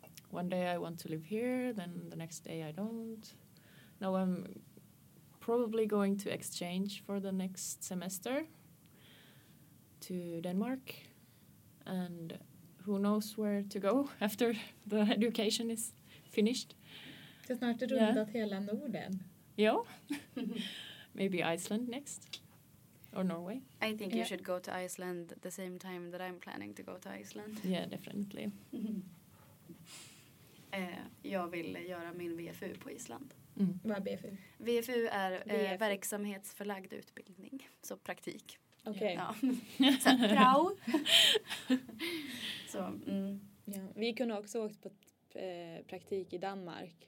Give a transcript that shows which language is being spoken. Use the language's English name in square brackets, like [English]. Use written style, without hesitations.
[English] One day I want to live here, then the next day I don't. Now I'm probably going to exchange for the next semester to Denmark. And who knows where to go after the education is finished. [Swedish] Det är snart rundat hela Norden. [English] Ja. Maybe Iceland next. Or Norway. I think you should go to Iceland the same time that I'm planning to go to Iceland. Yeah, definitely. [Swedish] Jag vill göra min VFU på Island. Mm. Vad är VFU? VFU är verksamhetsförlagd utbildning. Så praktik. Okej. [English] Okay. Ja. [Swedish] Så, mm. Ja. Vi kunde också åkt på praktik i Danmark.